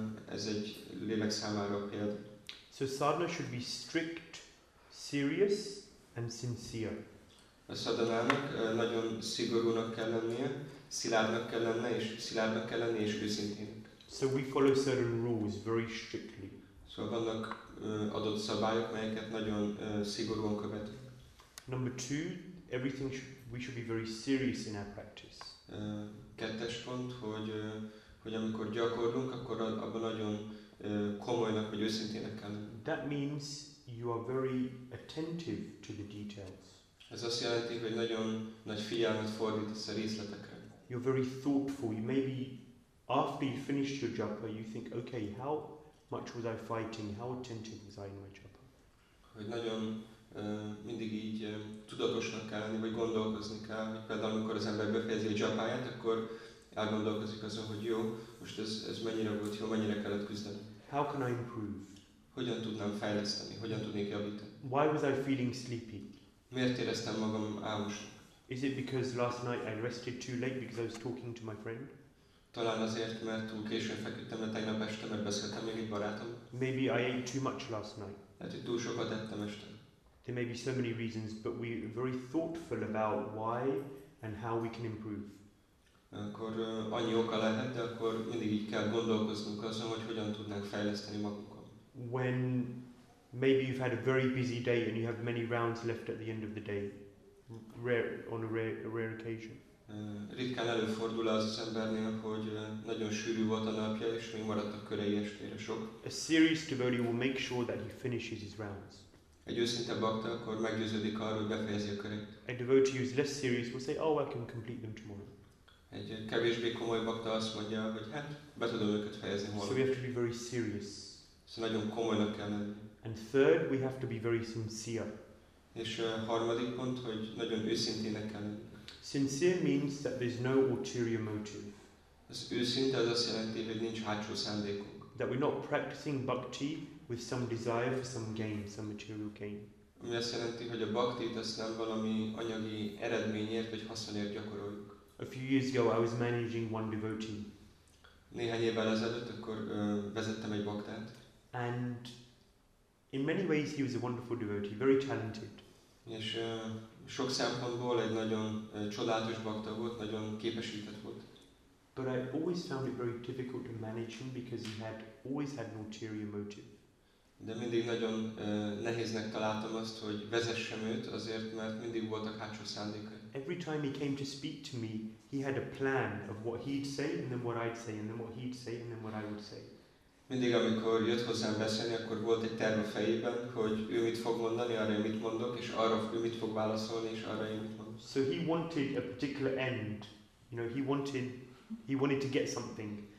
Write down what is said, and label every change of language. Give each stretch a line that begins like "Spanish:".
Hungarian: Ez egy lélek számára példa.
English: So sadhana should be strict, serious and sincere.
Hungarian: A szadhanának nagyon szigorúnak kell lennie, szilárdnak kell lennie és őszintének.
English: So we follow certain rules very strictly.
Hungarian: Szóval vannak adott szabályok, melyeket nagyon szigorúan követünk.
English: Number two, everything we should be very serious in our practice.
Hungarian: Kettes pont, hogy amikor gyakorlunk, akkor abban nagyon komolynak vagy őszintének kell lenni.
English: That means you are very attentive to the details.
Hungarian: Ez azt jelenti, hogy nagyon nagy figyelmet fordítasz a részletekre.
English: You're very thoughtful. Maybe after you finish your japa, you think, okay, how much was I fighting? How attentive was I in my japa?
Hungarian: Hogy nagyon mindig így tudatosnak kell lenni, vagy gondolkozni kell. Például amikor az ember befejezi a japáját, akkor elgondolkozik azon, hogy jó, most ez mennyire volt jó, mennyire kellett küzdeni.
English: How can I improve?
Hungarian: Hogyan tudnám fejleszteni? Hogyan tudnék javítani?
English: Why was I feeling sleepy?
Hungarian: Miért éreztem magam álmosnak?
English: Is it because last night I rested too late because I was talking to my friend?
Hungarian: Talán azért, mert túl későn feküdtem, mert tegnap este mert beszéltem még egy barátom.
English: Maybe I ate too much last night.
Hungarian: Lehet, hogy túl sokat ettem este.
English: There may be so many reasons, but we are very thoughtful about why and how we can improve.
Hungarian: Akkor annyi oka lehet, de akkor mindig így kell gondolkoznunk azon, hogy hogyan tudnánk fejleszteni magunkon.
English: When maybe you've had a very busy day and you have many rounds left at the end of the day, on a rare occasion.
Hungarian: Ritkán előfordul az az embernél, hogy nagyon sűrű volt a napja, és még maradt a körei estére sok.
English: A serious devotee will make sure that he finishes his rounds.
Hungarian: Egy őszinte bakta akkor meggyőződik arról, hogy befejezi a köreit.
English: A devotee who is less serious will say, oh, I can complete them tomorrow.
Hungarian: Egy kevésbé komoly bakta azt mondja, hogy hát, be tudom őket fejezni holnap.
English: So we have to be very serious.
Hungarian: Szóval nagyon komolynak kell lenni.
English: And third, we have to be very sincere.
Hungarian: És harmadik pont, hogy nagyon őszintének kell lenni.
English: Sincere means that there's no ulterior motive.
Hungarian: Az őszinte az azt jelenti, hogy nincs hátsó szándékunk.
English: That we're not practicing bhakti with some desire for some gain, some material gain.
Hungarian: Ami azt jelenti, hogy a bhaktit azt nem valami anyagi eredményért vagy haszonért gyakoroljuk.
English: A few years ago I was managing one devotee.
Hungarian: Néhány évvel ezelőtt akkor vezettem egy bhaktát.
English: And in many ways he was a wonderful devotee, very talented.
Hungarian: És sok szempontból egy nagyon csodálatos bhakta volt, nagyon képesített volt.
English: But I always found it very difficult to manage him because he had always had an ulterior motive.
Hungarian: De mindig nagyon nehéznek találtam azt, hogy vezessem őt, azért mert mindig voltak hátsó szándékai.
English: Every time he came to speak to me, he had a plan of what he'd say and then what I'd say and then what he'd say and then what I would say.
Hungarian: Mindig amikor jött hozzám beszélni, akkor volt egy terv a fejében, hogy ő mit fog mondani, arra én mit mondok, és arra ő mit fog válaszolni, és arra én mit mondok.
English: So he wanted a particular end, you know, he wanted to get something.